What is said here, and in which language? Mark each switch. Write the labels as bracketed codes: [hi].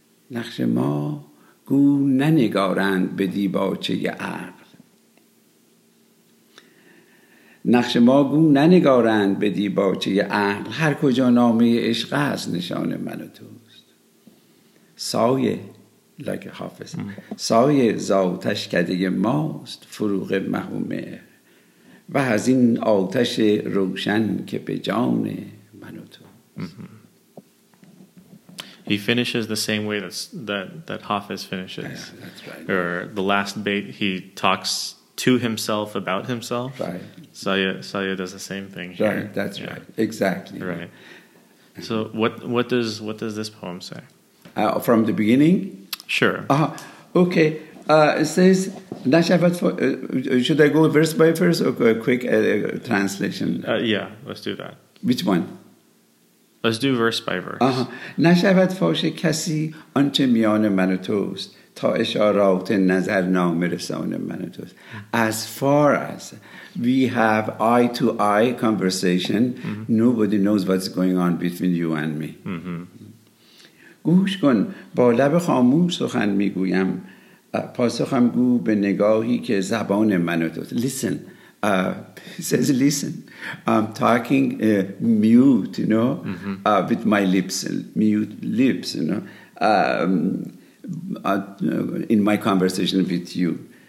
[fa] نقش ما گو ننگارند به دیباچه عقل، نقش ما گو ننگارند به دیباچه عقل، هر کجا نامه عشق است نشان من و توست. [en] Sayeh like Hafez. [fa] سایه زاتش کده ماست فروغ مه و مهر، و از این آتش روشن که به جان من و تو. [en] He finishes the same way that Hafez finishes. Yeah, that's right. Or the last bait, he talks to himself about himself. Right. Sayeh does the same thing here. Right, that's yeah. Right. Exactly. Right. So what does this poem say? From the beginning? Sure. Okay. It says, should I go verse by verse or a quick translation? Yeah, let's do that. Which one? Let's do verse by verse. [fa] نشود فاش کسی آنچه میان من و توست، تا اشارات نظر نامه رسان من و توست. [en] As far as we have eye to eye conversation, mm-hmm. nobody knows what's going on between you and me. [fa] گوش کن با لب خاموش سخن میگویم، پاسخم گو به نگاهی که زبان من و توست. [en] Listen. He says, listen, I'm talking mute, you know, mm-hmm. With my lips, mute lips, you know, in my conversation with you.